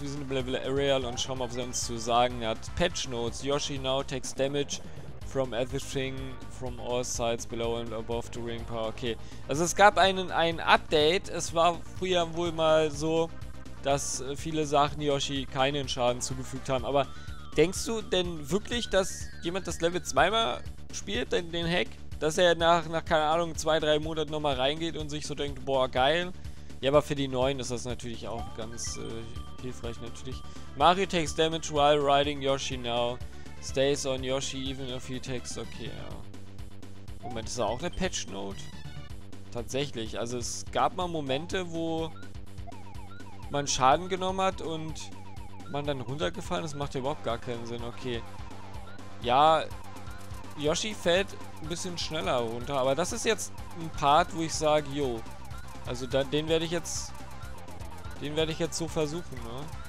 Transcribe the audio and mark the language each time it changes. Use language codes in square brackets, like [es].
[de] Wir sind im Level Aerial und schauen mal, was er uns zu sagen hat. [en] Patch Notes: Yoshi now takes damage from everything from all sides below and above during power. [de] Okay, also es gab ein Update. Es war früher wohl mal so, dass viele Sachen Yoshi keinen Schaden zugefügt haben. Aber denkst du denn wirklich, dass jemand das Level zweimal spielt, den Hack? Dass er nach keine Ahnung, 2-3 Monaten nochmal reingeht und sich so denkt, boah, geil. Ja, aber für die Neuen ist das natürlich auch ganz hilfreich, natürlich. [en] Mario takes damage while riding Yoshi now. Stays on Yoshi even if he takes... [de] Okay, ja. Moment, ist da auch eine Patch-Note? Tatsächlich, also es gab mal Momente, wo man Schaden genommen hat und man dann runtergefallen ist. Macht ja überhaupt gar keinen Sinn, okay. Ja, Yoshi fällt ein bisschen schneller runter, aber das ist jetzt ein Part, wo ich sage, jo, also da, den werde ich jetzt so versuchen, ne?